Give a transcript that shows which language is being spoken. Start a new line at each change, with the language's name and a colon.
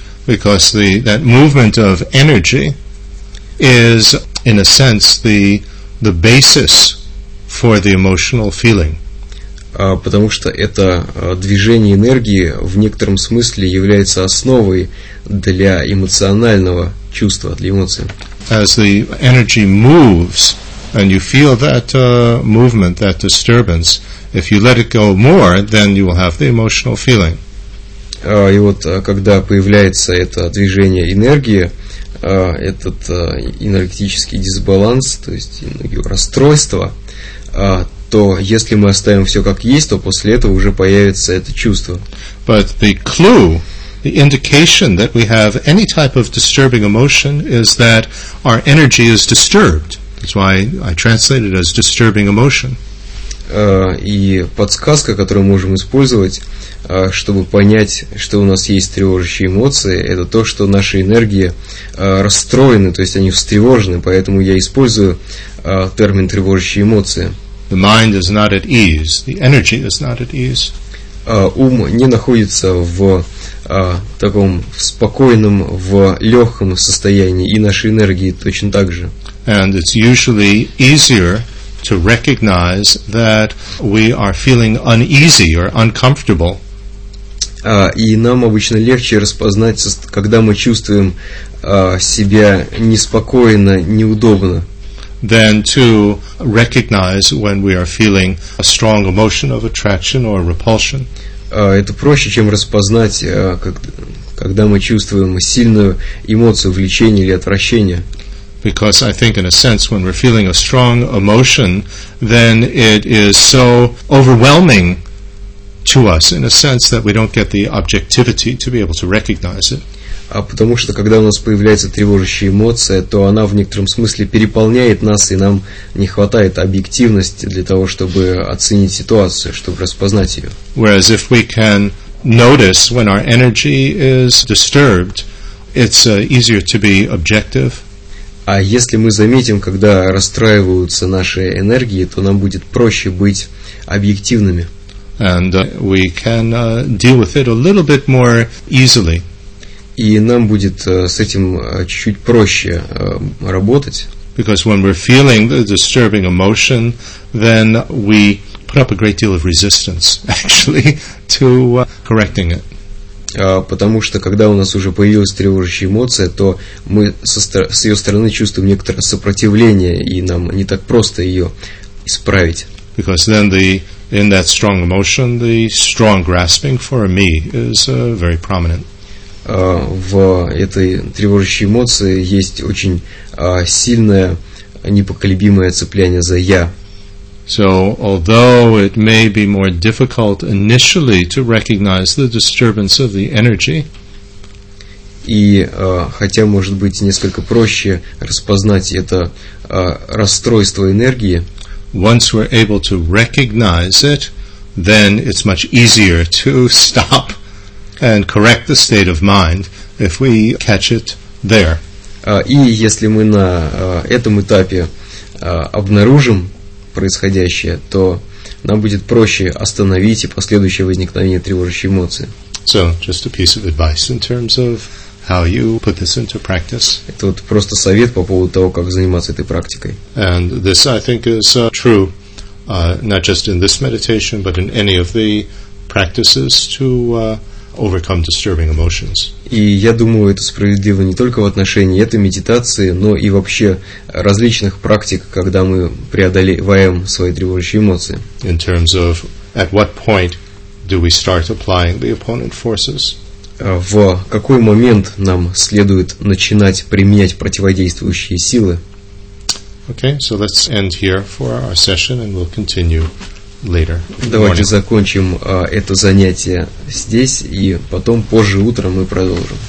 English: Because the that movement of energy is in a sense the basis for the emotional feeling.
Russian: Потому что это движение энергии в некотором смысле является основой для эмоционального чувства, для эмоций.
English: As the energy moves, and you feel that movement, that disturbance, if you let it go more, then you will have the emotional feeling.
Russian: И вот когда появляется это движение энергии, этот энергетический дисбаланс, то есть расстройство, то если мы оставим все как есть, то после этого уже появится это чувство.
English: But the clue, the indication that we have any type of disturbing emotion is that our energy is disturbed. That's why I translate it as disturbing emotion.
Russian: И подсказка, которую мы можем использовать, чтобы понять, что у нас есть тревожащие эмоции, это то, что наши энергии расстроены, то есть они встревожены, поэтому я использую термин «тревожащие эмоции».
English: The mind is not at ease. The energy is not at ease.
Russian: Ум не находится в таком спокойном, в легком состоянии, и наши энергии точно так же.
English: And it's usually easier to recognize that we are feeling uneasy or uncomfortable.
Russian: И нам обычно легче распознать, когда мы чувствуем себя неспокойно, неудобно.
English: Than to recognize when we are feeling a strong emotion of attraction or repulsion.
Russian: Это проще, чем распознать, когда мы чувствуем сильную эмоцию влечения или отвращения.
English: Because I think, in a sense, when we're feeling a strong emotion, then it is so overwhelming to us in a sense that we don't get the objectivity to be able to recognize it.
Russian: А потому что когда у нас появляется тревожащая эмоция, то она в некотором смысле переполняет нас, и нам не хватает объективности для того, чтобы оценить ситуацию, чтобы распознать ее.
English: Whereas if we can notice when our energy is disturbed, it's easier to be objective.
Russian: А если мы заметим, когда расстраиваются наши энергии, то нам будет проще быть объективными.
English: And we can deal with it a little bit more easily.
Russian: И нам будет с этим чуть-чуть проще работать.
English: Because when we're feeling the disturbing emotion, then we put up a great deal of resistance, actually, to correcting it.
Russian: Потому что когда у нас уже появилась тревожащая эмоция, то мы с ее стороны чувствуем некоторое сопротивление, и нам не так просто ее исправить.
English: Because then in that strong emotion, the strong grasping for me is very prominent.
Russian: В этой тревожащей эмоции есть очень сильное, непоколебимое цепляние за «я».
English: So, although it may be more difficult initially to recognize the disturbance of the energy,
Russian: и хотя может быть несколько проще распознать это расстройство энергии,
English: once we're able to recognize it, then it's much easier to stop and correct the state of mind if we catch it there.
Russian: И если мы на этом этапе обнаружим происходящее, то нам будет проще остановить и последующее возникновение тревожащей эмоции.
English: So, just a piece of advice in terms of how you put this into practice.
Russian: Это вот просто совет по поводу того, как заниматься этой практикой.
English: And this, I think, is true, not just in this meditation, but in any of the practices to overcome disturbing emotions.
Russian: И я думаю, это справедливо не только в отношении этой медитации, но и вообще различных практик, когда мы преодолеваем свои тревожащие эмоции.
English: In terms of at what point do we start applying the opponent forces?
Russian: В какой момент нам следует начинать применять противодействующие силы?
English: Okay, so let's end here for our session and we'll continue. Later.
Russian: Давайте закончим это занятие здесь, и потом позже утром мы продолжим.